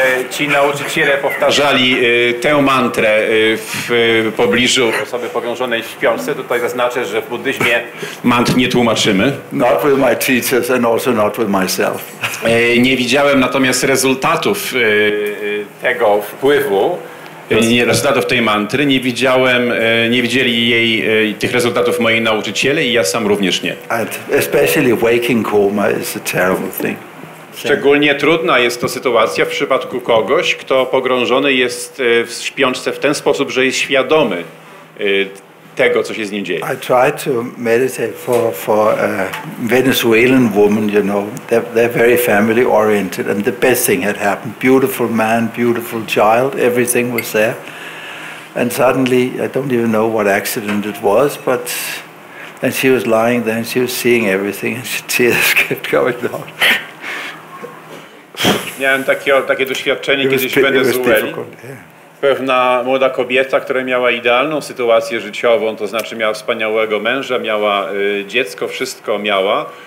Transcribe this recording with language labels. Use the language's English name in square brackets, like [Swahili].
[Polish] Ci nauczyciele powtarzali tę mantrę w pobliżu osoby pogrążonej w śpiące. Tutaj zaznaczę, że w buddyzmie mantr nie tłumaczymy. [English] Not with my teachers and also not with myself. [Polish] Nie widziałem natomiast rezultatów tego wpływu. Nie rezultatów tej mantry, nie widzieli jej tych rezultatów mojej nauczyciele i ja sam również nie. [English] And especially waking coma is a terrible thing. [Polish] Szczególnie trudna jest to sytuacja w przypadku kogoś, kto pogrążony jest w śpiączce w ten sposób, że jest świadomy tego, co się z nim dzieje. [English] I tried to meditate for a Venezuelan woman, you know, they're very family oriented and the best thing had happened. Beautiful man, beautiful child, everything was there. And suddenly, I don't even know what accident it was, but and she was lying there and she was seeing everything and she tears kept going down. [Polish] Miałem takie doświadczenie kiedyś w Wenezueli. Pewna młoda kobieta, która miała idealną sytuację życiową, to znaczy miała wspaniałego męża, miała dziecko, wszystko miała,